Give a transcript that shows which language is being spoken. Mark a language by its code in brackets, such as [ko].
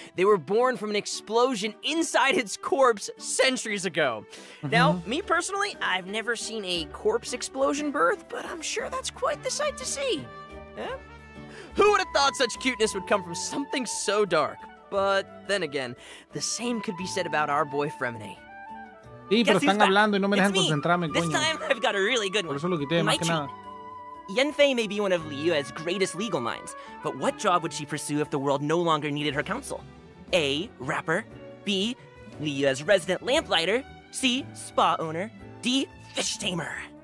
[en] They were born from an explosion inside its corpse centuries ago. Mm-hmm. Now, me personally, I've never seen a corpse explosion birth, but I'm sure that's quite the sight to see. Yeah? thought such cuteness would come from something so dark. But then again, the same could be said about our boy Fremini. [es] Sí, pero están hablando y no me dejan concentrarme, coño. [en] This time I've got a really good one. [es] Por eso lo quité, más que nada. [en] Yenfei may be one of Liyue's greatest legal minds, but what job would she pursue if the world no longer needed her counsel? A. Rapper. B. Liyue's resident lamplighter. C. Spa owner. D. Fish tamer.